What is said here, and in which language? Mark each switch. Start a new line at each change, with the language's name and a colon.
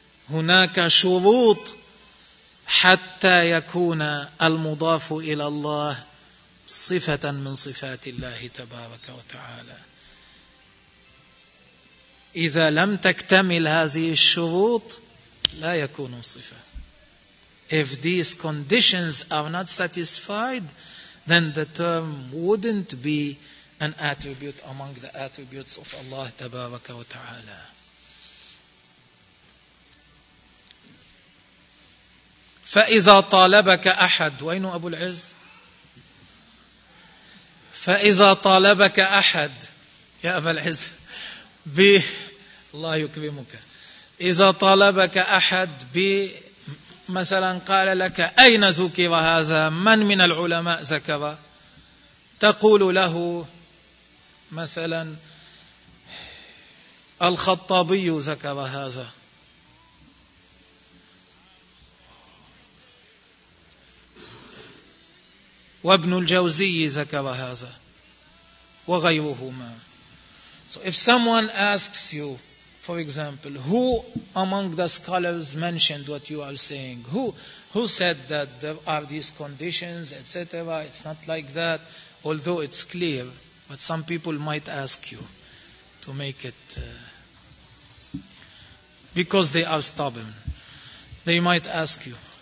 Arabic: هناك شروط حتى يكون المضاف إلى الله صفة من صفات الله تبارك وتعالى. إذا لم تكتمل هذه الشروط لا يكون صفة.
English: If these conditions are not satisfied, then the term wouldn't be an attribute among the attributes of Allah
Arabic: تبارك وتعالى. فإذا طالبك أحد وين أبو العز؟ فإذا طالبك أحد يا أبو العز الله يكرمك إذا طالبك أحد مثلا قال لك أين ذكر هذا؟ من العلماء ذكر؟ تقول له مثلا الخطابي ذكر هذا وابن الجوزي ذكر هذا وغيرهما.
English: So if someone asks you, for example, who among the scholars mentioned what you are saying? Who said that there are these conditions, etc.? It's not like that, although it's clear, but some people might ask you to make it because they are stubborn. They might ask you.